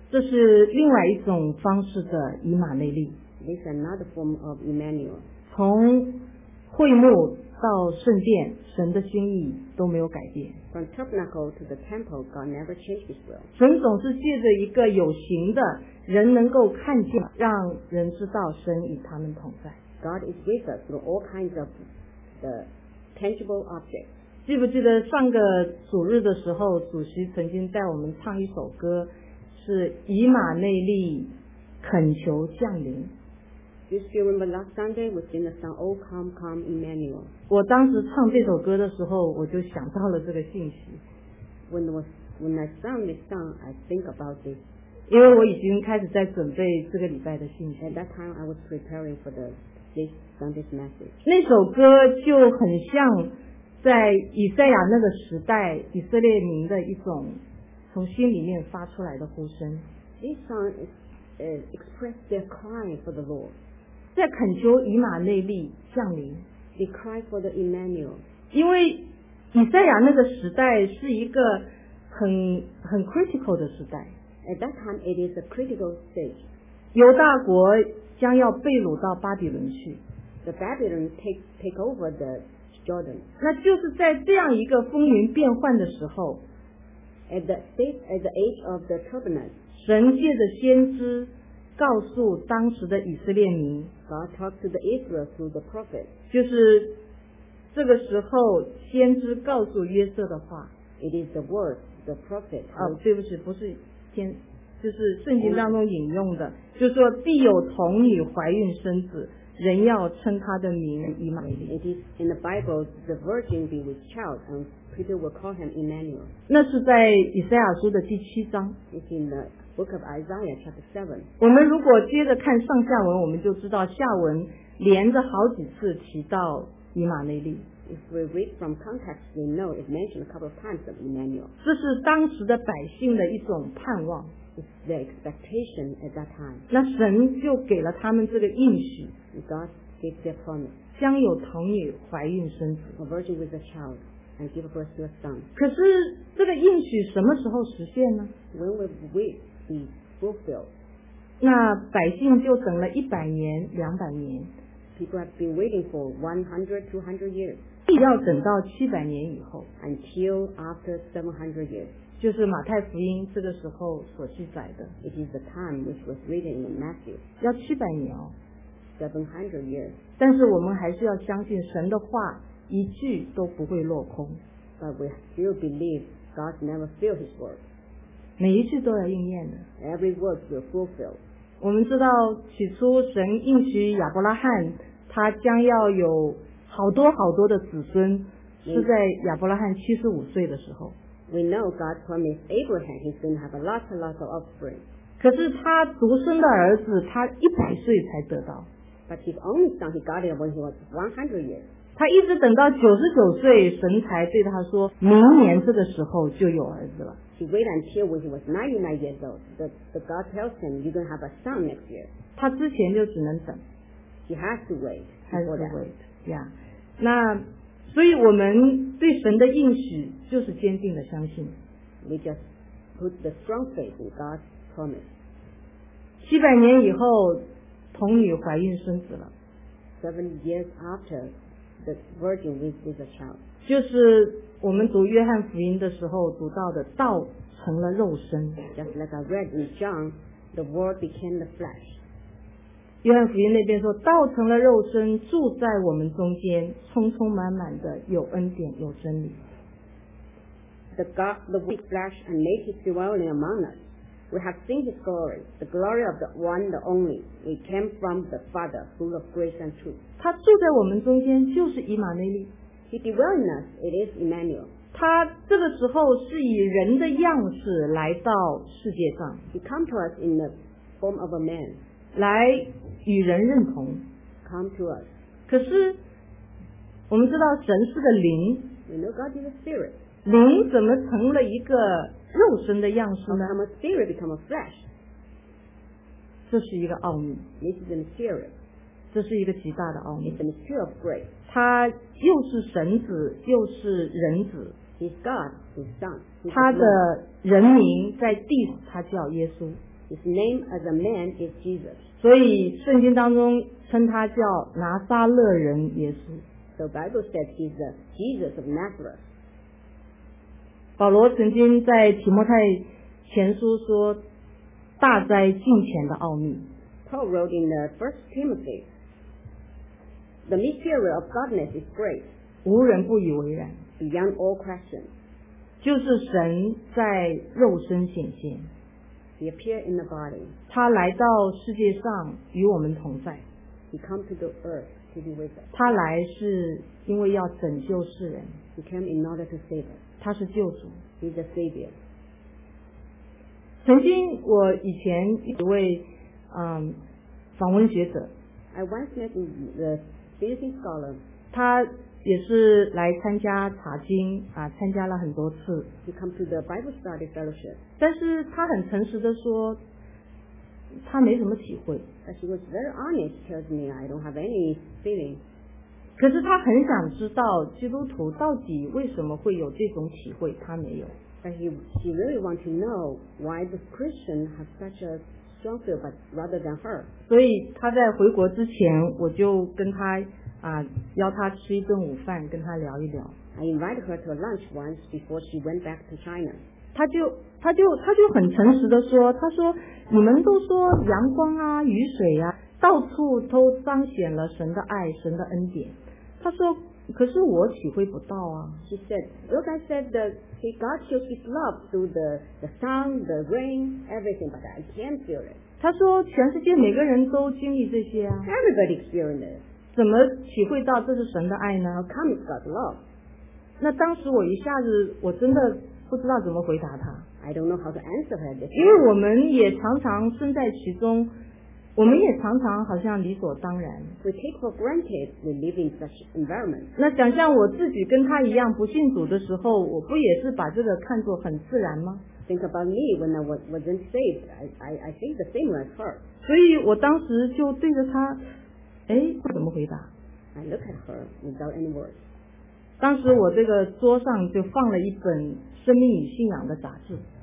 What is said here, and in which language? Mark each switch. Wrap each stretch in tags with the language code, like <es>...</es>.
<zh>这是另外一种方式的以马内利。</zh> <en>This is another form of Emmanuel.</en> <zh>从会幕到圣殿，神的心意都没有改变。</zh> <en>From tabernacle to the temple, God never changed his will.</en> <zh>神总是借着一个有形的人能够看见，让人知道神与他们同在。</zh> <en>God is with us through all kinds of the tangible objects.</en> <zh>记不记得上个主日的时候，主席曾经带我们唱一首歌，是以马内利恳求降临。</zh> <en>Do you still remember last Sunday we sing the song "Oh Come, Come, Emmanuel"?</en> <zh>我当时唱这首歌的时候，我就想到了这个信息。</zh> <en>When I sang this song, I think about this.</en> <zh>因为我已经开始在准备这个礼拜的信息。</zh> <en>At that time, I was preparing for this Sunday's message.</en> <zh>那首歌就很像在以赛亚那个时代以色列民的一种从心里面发出来的呼声。</zh> <en>This song express their cry for the Lord.</en> <zh>在恳求以马内利降临。</zh> <en>They cry for the Emmanuel.</en> <zh>因为以赛亚那个时代是一个很 critical 的时代。</zh> <en>At that time, it is a critical stage.</en> <zh>犹大国将要被掳到巴比伦去。</zh> <en>The Babylon take over the Jordan.</en> <zh>那就是在这样一个风云变幻的时候。</zh> <en>At the age of the turbulence.</en> <zh>神借着先知。告诉当时的以色列民</zh> <en>God talked to the Israel through the prophet</en> <zh>就是这个时候先知告诉约瑟的话</zh> <en>It is the word, the prophet</en> <zh>哦，对不起不是先就是圣经当中引用的就是说必有童女怀孕生子人要称他的名以马内利</zh> <en>It is in the Bible the virgin be with child and Peter will call him Emmanuel</en> <zh>那是在以赛亚书的第七章</zh> <en>It's in theBook of Isaiah, chapter 7.</en> <zh>我们如果接着看上下文，我们就知道下文连着好几次提到以马内利。</zh> <en>If we read from context, we know it mentioned a couple of times of Emmanuel.</en> <zh>这是当时的百姓的一种盼望。</zh> <en>It's their expectation at that time.</en> <zh>那神就给了他们这个应许。</zh> <en>God gave their promise.</en> <zh>将有童女怀孕生子。</zh> <en>A virgin with a child. And give birth to a son.</en> <zh>可是这个应许什么时候实现呢</zh> <en>When will we be fulfilled?</en> <zh>那百姓就等了一百年两百年</zh> <en>People have been waiting for 100, 200 years.</en> <zh>必要等到七百年以后</zh> <en>Until after 700 years.</en> <zh>就是马太福音这个时候所记载的</zh> <en>It is the time which was written in Matthew.</en> <zh>要七百年哦</zh> <en>700 years.</en> <zh>但是我们还是要相信神的话一句都不会落空</zh> <en>But we still believe God never fail his word</en> <zh>每一句都要应验的</zh> <en>Every word will fulfill</en> <zh>我们知道起初神应许亚伯拉罕他将要有好多好多的子孙是在亚伯拉罕75岁的时候</zh> <en>We know God promised Abraham he's going to have a lot of offspring</en> <zh>可是他独生的儿子他100岁才得到</zh> <en>But his only son he got it when he was 100 years</en> <zh>他一直等到99岁神才对他说明年这个时候就有儿子了</zh> <en>He waited until when he was 99 years old the God tells him you're going to have a son next year</en> <zh>他之前就只能等</zh> <en>He has to wait Has to wait Yeah</en> <zh>那所以我们对神的应许就是坚定的相信</zh> <en>We just put the strong faith in God's promise</en> <zh>700年以后童女怀孕生子了</zh> <en>7 years afterThe virgin with a child.</en> <zh>就是我们读约翰福音的时候读到的道成了肉身</zh> <en>Just like I read in John The word became the flesh</en> <zh>约翰福音那边说道成了肉身住在我们中间充充满满的有恩典有真理</zh> <en>The God the word flesh and made his dwelling among us We have seen his glory The glory of the one the only We came from the Father full of grace and truth</en> <zh>他住在我们中间就是以马内利</zh> <en>He dwells in us, it is Emmanuel</en> <zh>他这个时候是以人的样式来到世界上</zh> <en>He comes to us in the form of a man</en> <zh>来与人认同</zh> <en>Come to us</en> <zh>可是我们知道神是个灵</zh> <en>We know God is a spirit</en> <zh>灵怎么成了一个肉身的样式呢</zh> <en>How come a spirit become a flesh</en> <zh>这是一个奥秘</zh> <en>This is a mystery</en> <zh>这是一个极大的奥秘。</zh> <en>It's a mystery of grace.</en> <zh>他又是神子，又是人子。</zh> <en>He's God, His Son.</en> <zh>他的人名在地上，他叫耶稣。</zh> <en>His name as a man is Jesus.</en> <zh>所以圣经当中称他叫拿撒勒人耶稣。</zh> <en>The Bible says he's the Jesus of Nazareth.</en> <zh>保罗曾经在提摩太前书说大灾近前的奥秘。</zh> <en>Paul wrote in the first Timothy, the mystery of godness is great.</en> <zh>无人不以为然。</zh> <en>Beyond all question.</en> <zh>就是神在肉身显现。</zh> <en>He appeared in the body.</en> <zh>他来到世界上与我们同在。</zh> <en>He came to the earth to be with us.</en> <zh>他来是因为要拯救世人。</zh> <en>He came in order to save us.</en> <zh>他是救主。</zh> <en>He's the savior.</en> <zh>曾经我以前一位访问学者</zh> <en>I once met the visiting scholar.</en> <zh>他也是来参加查经啊，参加了很多次。</zh> <en>He came to the Bible study fellowship.</en> <zh>但是他很诚实的说，他没什么体会。</zh> <en>But he was very honest, tells me I don't have any feeling.</en> <zh>可是他很想知道基督徒到底为什么会有这种体会，他没有。</zh> <en>But he really want to know why the Christian has such a strong feel, but rather than her.</en> <zh>所以他在回国之前，我就跟他。邀他吃一顿午饭，跟他聊一聊。</zh> <en>I invited her to lunch once before she went back to China.</en> <zh>他就很诚实的说，他说你们都说阳光啊、雨水啊，到处都彰显了神的爱、神的恩典。他说，可是我体会不到啊。</zh> <en>She said, "Look, I said that God shows His love through the sun, the rain, everything, but I can't feel it."</en> <zh>他说，全世界每个人都经历这些啊。</zh> <en>Everybody experiences.</en> <zh>怎么体会到这是神的爱呢</zh> <en>How comes God's love?</en> <zh>那当时我一下子我真的不知道怎么回答他</zh> <en>I don't know how to answer her this</en> <zh>因为我们也常常身在其中我们也常常好像理所当然</zh> <en>We take for granted we live in such environment</en> <zh>那想象我自己跟他一样不信主的时候我不也是把这个看作很自然吗</zh> <en>Think about me when I wasn't saved I think the same as her</en> <zh>所以我当时就对着他哎，不怎么回答。</zh> <en>I look at her without any words.</en> <zh>当时我这个桌上就放了一本《生命与信仰》的杂志。</zh>